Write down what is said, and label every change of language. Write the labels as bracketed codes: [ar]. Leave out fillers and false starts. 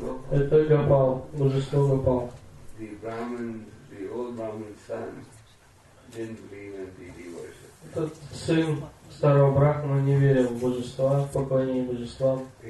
[ru] Это Гопал, божество Гопал. [en] The Brahmin, the old Brahmin's son, didn't believe in deity worship. [ru] Этот сын старого брахмана не верил в божества, в поклонение божествам.